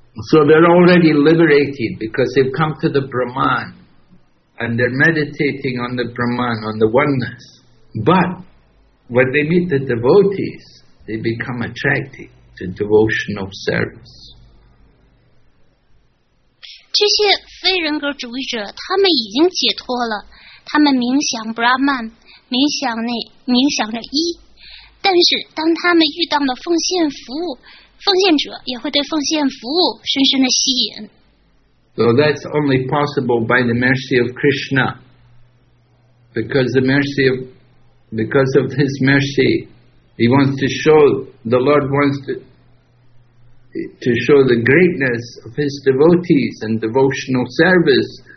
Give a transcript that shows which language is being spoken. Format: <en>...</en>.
<en>So they're already liberated because they've come to the Brahman and they're meditating on the Brahman, on the oneness. But when they meet the devotees, they become attracted to devotional service.</en> <zh>这些非人格主义者，他们已经解脱了，他们冥想 Brahman， 冥想着一，但是当他们遇到了奉献服务奉献者也会对奉献服务深深的吸引。</zh> <en>So that's only possible by the mercy of Krishna. Because of his mercy, he wants to show, the Lord wants to show the greatness of his devotees and devotional service.</en>